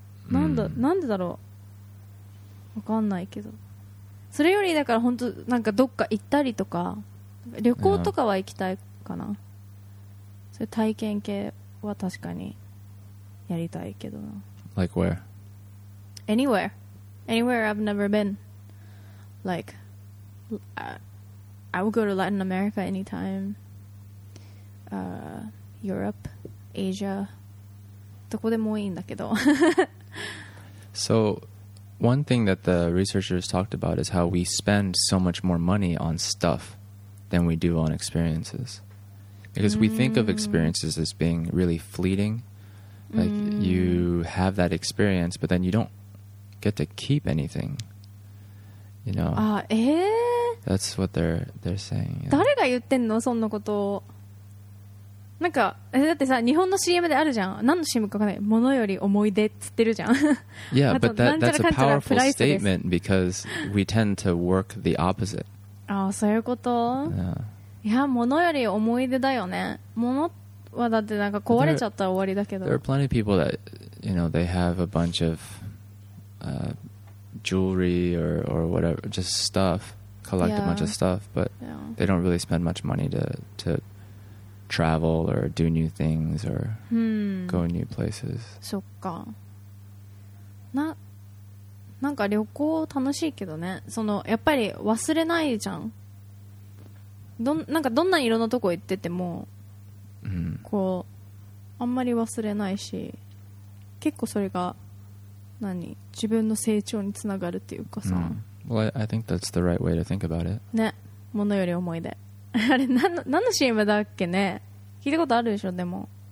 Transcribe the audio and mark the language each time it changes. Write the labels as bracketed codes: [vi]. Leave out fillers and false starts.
[ja] なんだ、なんでだろう、わかんないけど。それよりだから本当なんかどっか行ったりとか、旅行とかは行きたいかな。それ体験系は確かにやりたいけどな。 [en] Like where? Anywhere. Anywhere I've never been. Like, I would go to Latin America anytime. Europe, Asia. [ja] どこでもいいんだけど。 [en] So, one thing that the researchers talked about is how we spend so much more money on stuff than we do on experiences. Because we think of experiences as being really fleeting. Like, you have that experience, but then you don't get to keep anything, you know? That's what they're saying. You know? [ja] 誰が言ってんのそんなこと。なんか、だってさ、日本の CM であるじゃん。何の CM かわかんない。物より思い出っつってるじゃん。 [en] Yeah, but that's a powerful statement because we tend to work the opposite. [ja] ああ、そういうこと。 [en] Yeah. [ja] いや、物より思い出だよね。物ってはだってなんか壊れちゃったら終わりだけど。 [en] There are plenty of people that, you know, they have a bunch of, jewelry or whatever, just stuff, collect a bunch of stuff, but they don't really spend much money to travel or do new things or go new places. [ja] そっか。なんか旅行楽しいけどね。そのやっぱり忘れないじゃん。なんかどんな色のとこ行ってても。こうあんまり忘れないし、結構それが何自分の成長につながるっていうかさ。 [en] Well, I think that's the right way to think about it. [ja] ね、物より思い出。あれ何の CM だっけね。聞いたことあるでしょでも。